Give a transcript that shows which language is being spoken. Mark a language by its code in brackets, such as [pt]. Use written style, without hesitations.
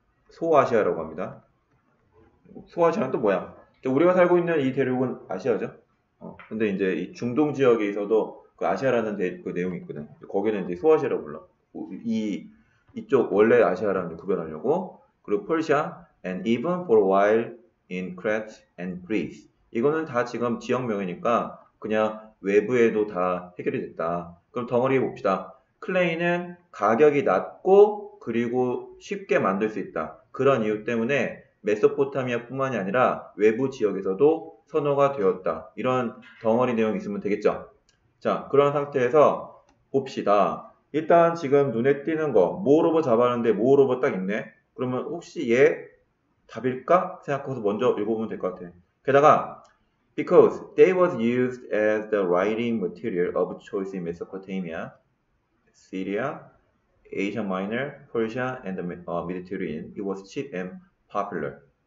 [ko] 소아시아라고 합니다. 소아시아는 또 뭐야? 우리가 살고 있는 이 대륙은 아시아죠? 근데 이제 이 중동 지역에서도 그 아시아라는 그 내용이 있거든. 거기는 이제 소아시아라고 불러. 이쪽 원래 아시아랑 구별하려고. 그리고 [en] Persia and even for a while in Crete and Greece. [ko] 이거는 다 지금 지역명이니까 그냥 외부에도 다 해결이 됐다. 그럼 덩어리 봅시다. 클레이는 가격이 낮고 그리고 쉽게 만들 수 있다. 그런 이유 때문에 메소포타미아뿐만이 아니라 외부 지역에서도 선호가 되었다. 이런 덩어리 내용이 있으면 되겠죠. 자, 그런 상태에서 봅시다. 일단 지금 눈에 띄는 거, 모어로버 잡았는데 모어로버 딱 있네. 그러면 혹시 얘 답일까 생각해서 먼저 읽어보면 될것 같아. 게다가 [en] because they was used as the writing material of choice in Mesopotamia, Syria, Asia Minor, Persia, and the Mediterranean, it was cheap and popular.